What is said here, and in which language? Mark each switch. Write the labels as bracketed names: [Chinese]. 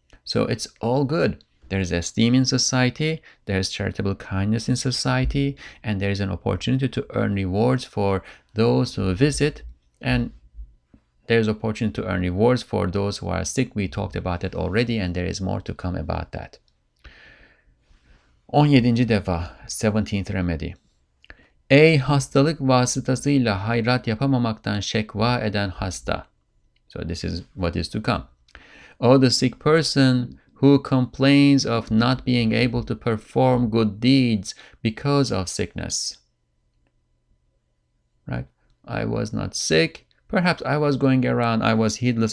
[English] So it's all good. There is esteem in society, there is charitable kindness in society, and there is an opportunity to earn rewards for those who visit, and there is opportunity to earn rewards for those who are sick. We talked about it already, and there is more to come about that. [Turkish] 17. defa, [English] 17th remedy. [Turkish] Ey hastalık vasıtasıyla hayrat yapamamaktan şekva eden hasta. [English] So this is what is to come. Oh, the sick person who complains of not being able to perform good deeds because of sickness. Right? I was not sick. Perhaps I was going around. I was heedless.